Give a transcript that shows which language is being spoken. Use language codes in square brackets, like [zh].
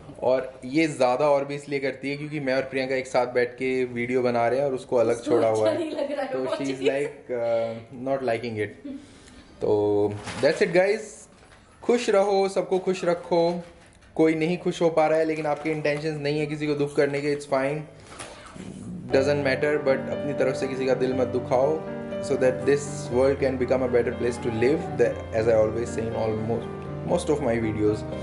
[hi] और ये ज्यादा और भी इसलिए करती है क्योंकि मैं और प्रियंका एक साथ बैठ के वीडियो बना रहे हैं और उसको अलग छोड़ा हुआ है, तो [en] she is like not liking it. तो that's it, guys. [hi] खुश रहो, सबको खुश रखो। कोई नहीं खुश हो पा रहा है लेकिन आपके इंटेंशंस नहीं है किसी को दुख करने के, [en] it's fine, doesn't matter, but [hi] अपनी तरफ से किसी का दिल मत दुखाओ, [en] So that this world can become a better place to live, as I always say in almost most of my videos.